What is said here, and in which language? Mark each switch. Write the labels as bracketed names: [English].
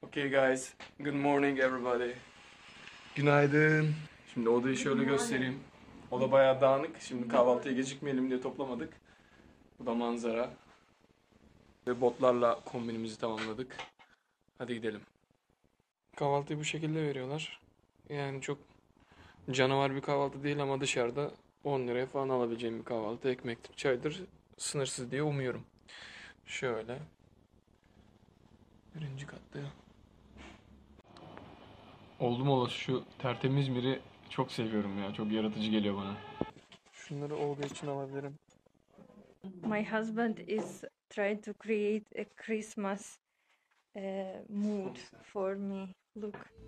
[English] Guys, good morning everybody. [Turkish] Günaydın. Şimdi odayı şöyle göstereyim. Oda bayağı dağınık. Şimdi kahvaltıya gecikmeyelim diye toplamadık. Bu da manzara. Ve botlarla kombinimizi tamamladık. Hadi gidelim. Kahvaltıyı bu şekilde veriyorlar. Yani çok canavar bir kahvaltı değil ama dışarıda 10 liraya falan alabileceğim bir kahvaltı. Ekmektir, çaydır, sınırsız diye umuyorum. Şöyle. Birinci katta ya. Oldum olası şu tertemiz biri çok seviyorum ya. Çok yaratıcı geliyor bana. Şunları Olga için alabilirim. [English] My husband is trying to create a Christmas mood for me. Look.